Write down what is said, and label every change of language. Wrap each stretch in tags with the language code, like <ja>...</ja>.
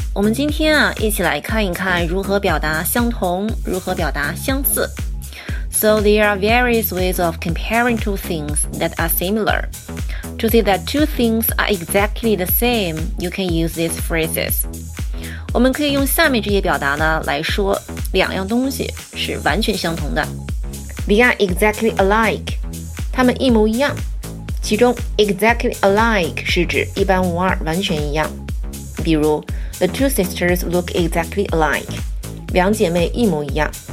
<zh>我们今天啊，一起来看一看如何表达相同，如何表达相似。</zh> <en>So there are various ways of comparing two things that are similar. To say that two things are exactly the same, you can use these phrases.</en> <zh>我们可以用下面这些表达呢来说两样东西是完全相同的。</zh> <en>They are exactly alike.</en> <zh>他们一模一样。其中 exactly alike 是指一般无二，完全一样。比如</zh> <en>The two sisters look exactly alike.</en> <zh>两姐妹一模一样。</zh>